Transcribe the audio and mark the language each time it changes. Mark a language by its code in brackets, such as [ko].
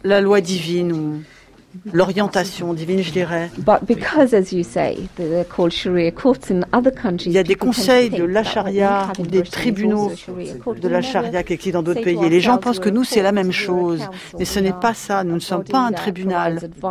[fr] La loi divine ou l'orientation divine, je dirais. [en] But because, as you say, they're called Sharia courts in other countries. [fr] Il y a des conseils de la charia, des tribunaux de la charia qui existent dans d'autres pays. Et les gens pensent que nous, c'est la même chose. Mais ce n'est pas ça. Nous ne sommes pas un tribunal.